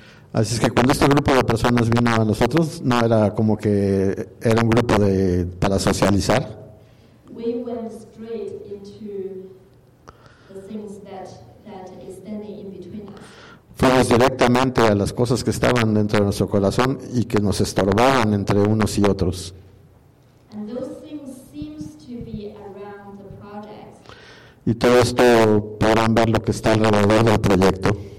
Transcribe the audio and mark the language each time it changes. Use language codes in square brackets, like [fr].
[es] Así es que cuando este grupo de personas vino a nosotros, no era como que era un grupo para socializar. [en] We went straight into the things that is standing in between us. [es] Fuimos directamente a las cosas que estaban dentro de nuestro corazón y que nos estorbaban entre unos y otros. [en] And those things seems to be around the project. [es] Y todo esto podrán ver lo que está alrededor del proyecto.